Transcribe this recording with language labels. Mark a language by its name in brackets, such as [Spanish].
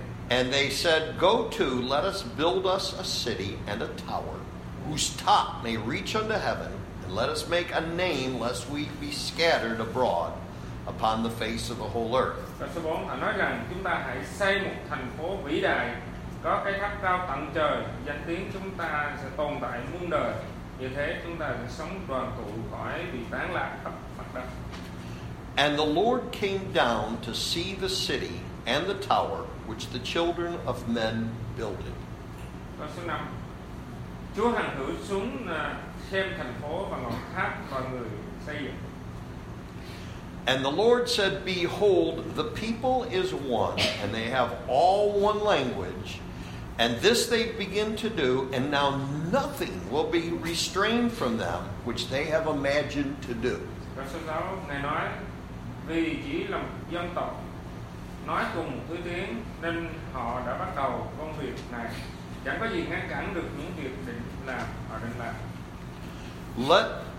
[English] And they said, go to, let us build us a city and a tower, whose top may reach unto heaven, and let us make a name, lest we be scattered abroad upon the face of the whole earth. [Vietnamese] Câu 4, họ nói rằng chúng ta hãy xây một thành phố vĩ đại, có cái tháp cao tận trời, danh tiếng chúng ta sẽ tồn tại muôn đời, như thế chúng ta sẽ sống đoàn tụ khỏi bị tán lạc khắp mặt đất. [English] And the Lord came down to see the city and the tower which the children of men builded. [Vietnamese] Câu số 5. Chúa hằng hữu xuống xem thành phố và ngọn tháp và người xây dựng. [English] And the Lord said, behold, the people is one, and they have all one language, and this they begin to do, and now nothing will be restrained from them which they have imagined to do. [Vietnamese] Câu số 6. Ngài nói, vì chỉ là một dân tộc nói cùng một thứ tiếng nên họ đã bắt đầu công việc này. Chẳng có gì ngăn cản được những việc họ định làm.